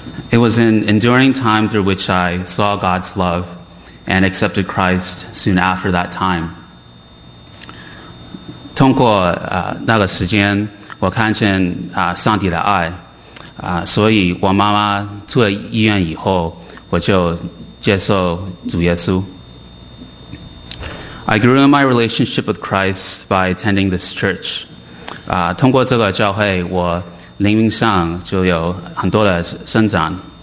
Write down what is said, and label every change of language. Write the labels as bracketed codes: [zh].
[en] It was an enduring time through which I saw God's love and accepted Christ soon after that time. [zh] 通过那个时间，我看见上帝的爱，所以我妈妈出了医院以后，我就接受主耶稣。 [en] I grew in my relationship with Christ by attending this church. [zh] 通过这个教会，我灵命上就有很多的生长。